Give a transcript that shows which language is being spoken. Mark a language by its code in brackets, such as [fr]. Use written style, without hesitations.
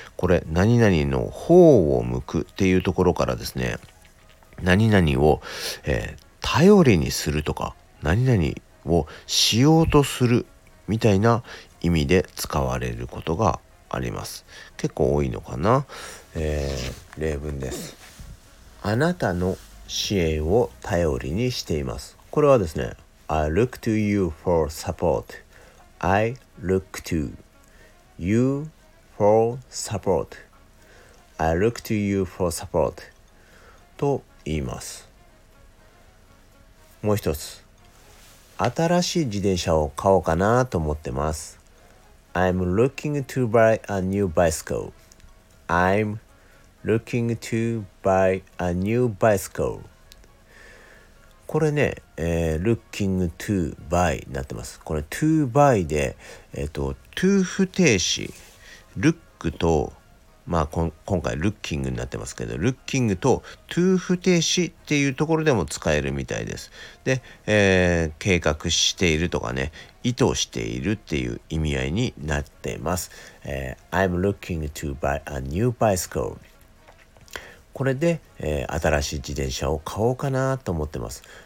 [ja] これ何々の方を向くっていうところからですね、何々を、頼りにするとか何々をしようとするみたいな意味で使われることがあります。結構多いのかな。例文です。あなたの支援を頼りにしています。これはですね、 [en] I look to you for support、 I look toYou for support、 I look to you for support [ja] と言います。もう一つ、新しい自転車を買おうかなと思ってます。 [en] I'm looking to buy a new bicycle、 I'm looking to buy a new bicycle。 [ja] これね、 [en] looking to buy [ja] になってます。これ to buy で、to 不定詞 look と、まあ今回 looking になってますけど、 looking と to 不定詞っていうところでも使えるみたいです。で、計画しているとかね、意図しているっていう意味合いになってます。 [en] I'm looking to buy a new bicycle。 [ja] これで、新しい自転車を買おうかなと思ってます。